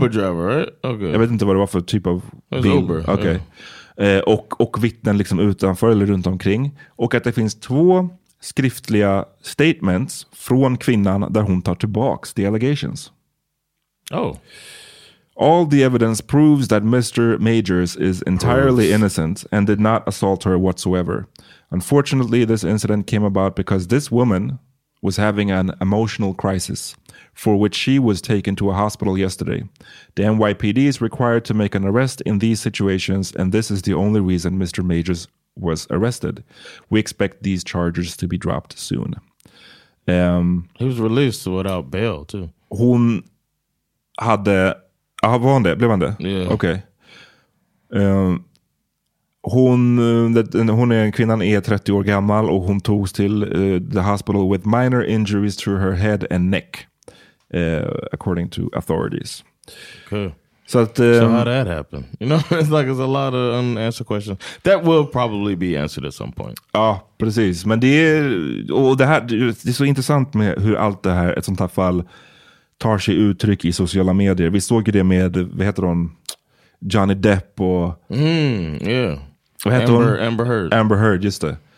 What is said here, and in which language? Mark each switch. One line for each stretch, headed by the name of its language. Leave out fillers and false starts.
English: The Uber driver, right? Okay.
Swedish: Jag vet inte vad det var för typ av it's bil. Uber,
English: okay. Yeah.
Swedish: Och vittnen liksom utanför eller runt omkring. Och att det finns två skriftliga statements från kvinnan där hon tar tillbaks
English: the allegations. Oh. All the evidence proves that Mr. Majors is entirely innocent and did not assault her whatsoever. Unfortunately, this incident came about because this woman was having an emotional crisis for which she was taken to a hospital yesterday. The NYPD is required to make an arrest in these situations and this is the only reason Mr. Majors was arrested. We expect these charges to be dropped soon. He was released without bail too.
Swedish: Hon hade... Var hon det? Blev han det?
English: Yeah.
Swedish: Okej. Hon är en kvinna, är 30 år gammal och hon togs till
English: the hospital with minor injuries to her head and neck, according to authorities. Okay. So, that, so how did that happen? You know, it's like it's a lot of unanswered questions. That will probably be answered at some point.
Swedish: Ja, precis. Men det är, och det här, det är så intressant med hur allt det här, ett sånt här fall, tar sig uttryck i sociala medier. Vi såg ju det med, vad heter hon? Johnny Depp och...
English: Mm, yeah.
Swedish: Vad heter Amber, hon? Amber Heard. Amber Heard, just det.